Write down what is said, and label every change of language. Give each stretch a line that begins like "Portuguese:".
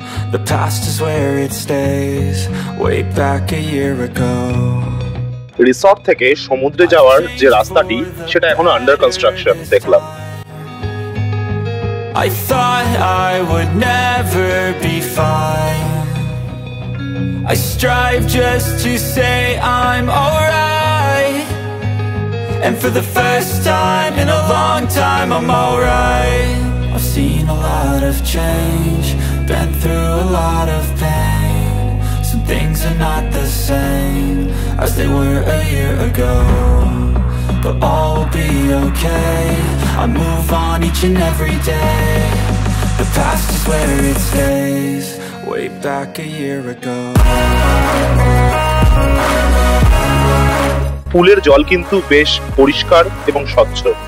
English: The past is where it stays, way back a year ago.
Bangla: Resort থেকে সমুদ্রে যাওয়ার যে রাস্তাটি সেটা এখনো আন্ডার কনস্ট্রাকশন দেখলাম।
English: I thought I would never be fine. I strive just to say I'm alright. And for the first time in a long time I'm alright. I've seen a lot of change. Been through a lot of pain. Some things are not the same as they were a year ago. But all will be okay. I move on each and every day. The past is where it stays, way back a year ago.
Bangla: পুলের জল কিন্তু বেশ পরিষ্কার এবং স্বচ্ছ।